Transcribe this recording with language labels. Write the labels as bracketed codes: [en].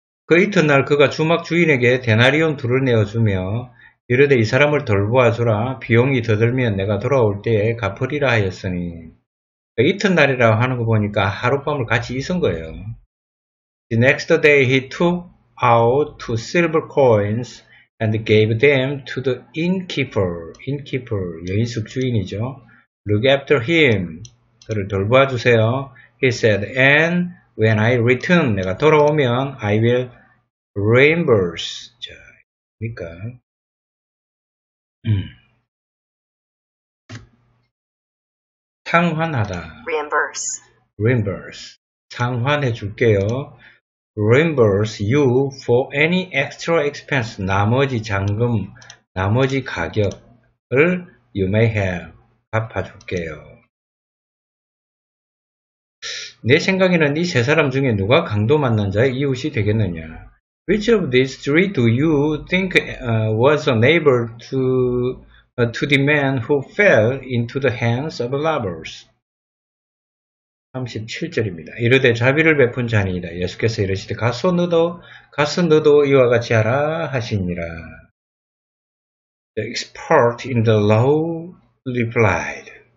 [ko] 그 이튿날 그가 주막 주인에게 데나리온 둘을 내어주며 이르되 이 사람을 돌보아주라 비용이 더 들면 내가 돌아올 때에 갚으리라 하였으니 그 이튿날이라고 하는 거 보니까 하룻밤을 같이 있은 거예요. [en] The next day he took out two silver coins and gave them to the innkeeper. innkeeper, [ko] 여인숙 주인이죠. [en] Look after him. [ko] 그를 돌보아주세요. [en] He said, and When I return, [ko] 내가 돌아오면 [en] I will reimburse. [ko] 자, 그러니까 상환하다. [en] reimburse. reimburse. [ko] 상환해 줄게요. [en] reimburse you for any extra expense. [ko] 나머지 잔금, 나머지 가격을 [en] you may have. [ko] 갚아 줄게요. 내 생각에는 이 세 사람 중에 누가 강도 만난 자의 이웃이 되겠느냐? [en] Which of these three do you think was a neighbor to the man who fell into the hands of robbers? [ko] 37절입니다. 이르되 자비를 베푼 자니이다. 예수께서 이르시되 가서 너도 이와 같이 하라 하시니라. [en] The expert in the law replied.